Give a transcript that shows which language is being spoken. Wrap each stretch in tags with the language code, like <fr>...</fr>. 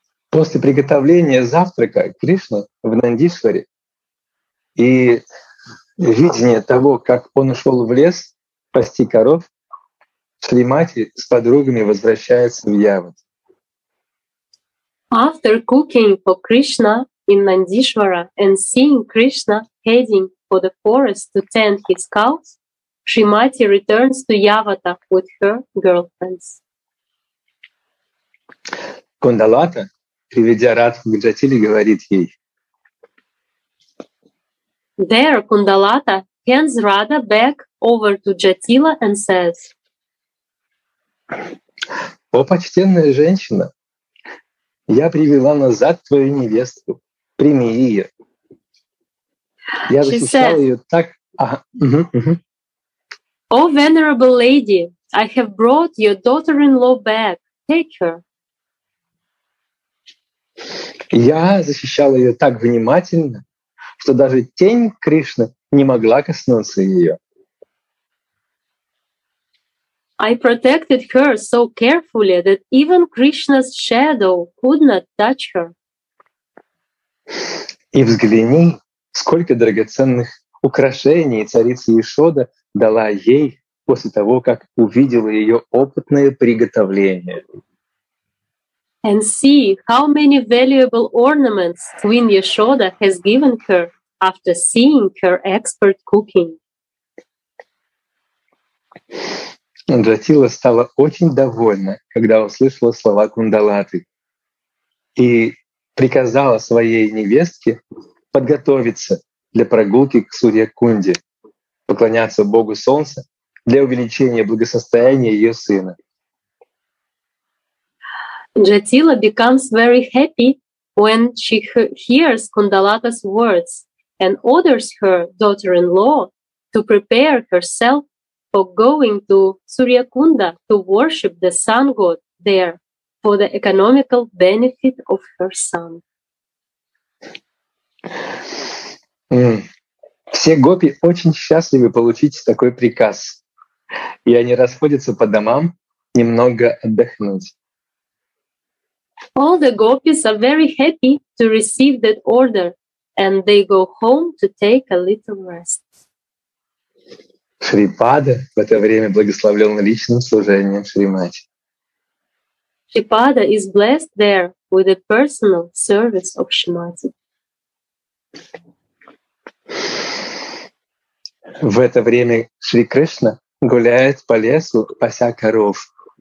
<ru>После приготовления завтрака Кришна в Нандишваре и видения того, как он ушел в лес пасти коров, Шримати с подругами возвращается в Явад.</ru> <en>After cooking for Krishna in Nandishvara and seeing Krishna heading for the forest to tend his cows, Shrimati returns to Yavata with her girlfriends.</en> <ru>Кундалата, приведя Радху к Джатили, говорит ей.</ru> <en>There Кундалата hands Radha back over to Jatila and says.</en> <ru>О, почтенная женщина! Я привела назад твою невесту. Прими ее. Я защищала ее так.</ru> <en>О, venerable lady, I have brought your daughter-in-law back. Take her.</en> <ru>Я защищала ее так внимательно, что даже тень Кришны не могла коснуться ее.</ru> <en>I protected her so carefully that even Krishna's shadow could not touch her.</en> <ru>И взгляни, сколько драгоценных украшений царица Яшода дала ей после того, как увидела ее опытное приготовление.</ru> <en>And see how many valuable ornaments Queen Yashoda has given her after seeing her expert cooking.</en> <ru>Джатила стала очень довольна, когда услышала слова Кундалаты и приказала своей невестке подготовиться для прогулки к Сурья-Кунде, поклоняться Богу Солнца для увеличения благосостояния ее сына.</ru> <en>Джатила becomes very happy when she hears Кундалата's words and orders her daughter-in-law to prepare herself for going to Suryakunda to worship the sun god there for the economical benefit of her son.</en> <ru>Все гопи очень счастливы получить такой приказ, и они расходятся по домам немного отдохнуть.</ru> <en>All the gopis are very happy to receive that order, and they go home to take a little rest.</en> <ru>Шрипада в это время благословлен личным служением Шримати.</ru> <en>Шрипада is blessed there with a personal service of Шримати.</en> <ru>В это время Шри Кришна гуляет по лесу, пася коров.</ru>